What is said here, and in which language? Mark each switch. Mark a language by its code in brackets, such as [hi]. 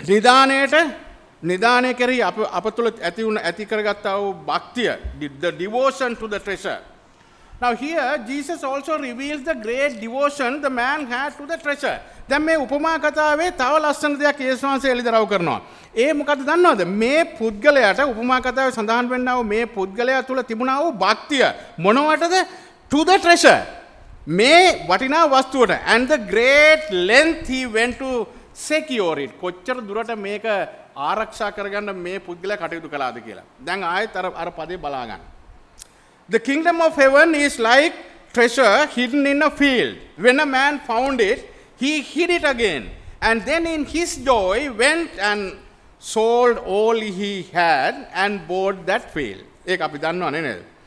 [si] නිදානයේ කරි අපතුල ඇති කරගත්තා වූ භක්තිය, [en] the devotion to the treasure. Now here Jesus also reveals the great devotion the man had to the treasure. [si] දැන් මේ උපමා කතාවේ තව ලස්සන දෙයක් යේසුස් වහන්සේ එළිදරව් කරනවා. ඒ මොකද දන්නවද? මේ පුද්ගලයාට උපමා කතාවේ සඳහන් වෙන්නා වූ මේ පුද්ගලයා තුල තිබුණා වූ භක්තිය මොනවටද? [en] To the treasure. [si] මේ වටිනා වස්තුවට. [en] And the great length he went to secure it. [si] කොච්චර දුරට මේක ආරක්ෂා කරගන්න මේ පුද්ගලයා කටයුතු කළාද කියලා. දැන් ආයෙත් අර පදේ බලාගන්න. [en] The kingdom of heaven is like treasure hidden in a field. When a man found it, he hid it again. And then in his joy went and sold all he had and bought that field. [si] Eka api dannawane neda?